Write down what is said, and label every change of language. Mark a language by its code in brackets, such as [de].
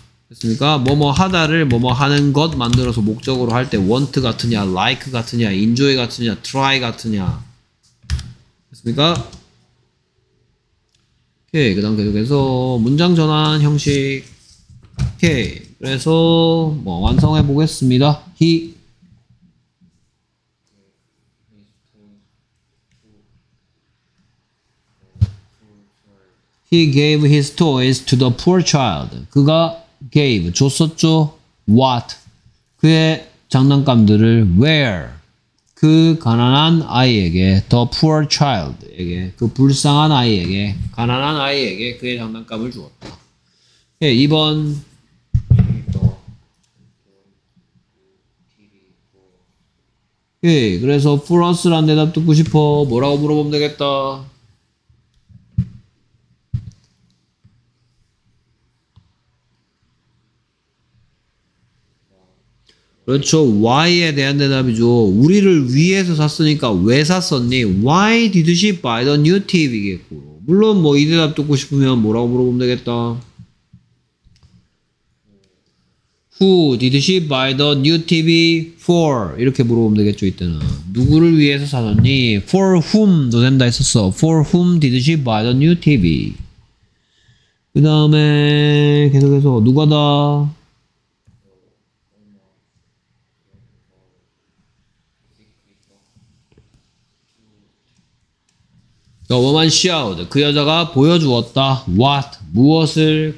[ko] 됐습니까? 뭐뭐 하다를 뭐뭐 하는 것 만들어서 목적으로 할 때 want 같으냐, like 같으냐, enjoy 같으냐, try 같으냐. 됐습니까? 오케이. 그다음 계속해서 문장 전환 형식. 오케이. 그래서 뭐 완성해 보겠습니다. [en] He gave his toys to the poor child. [ko] 그가 gave 줬었죠. What? 그의 장난감들을 where? 그 가난한 아이에게 [en] the poor child [ko] 에게 그 불쌍한 아이에게 가난한 아이에게 그의 장난감을 주었다. 예, 2번 예, 그래서 플러스란 대답 듣고 싶어. 뭐라고 물어보면 되겠다. 그렇죠. Why에 대한 대답이죠. 우리를 위해서 샀으니까 왜 샀었니? [en] Why did she buy the new TV겠고. [ko] 물론 뭐 이 대답 듣고 싶으면 뭐라고 물어보면 되겠다. [en] Who did she buy the new TV for? [ko] 이렇게 물어보면 되겠죠. 이때는 누구를 위해서 샀었니? [en] For whom [ko] 도 된다 했었어. [en] For whom did she buy the new TV? [ko] 그 다음에 계속해서 누가다? 더 [en] woman showed. [ko] 그 여자가 보여주었다. What? 무엇을?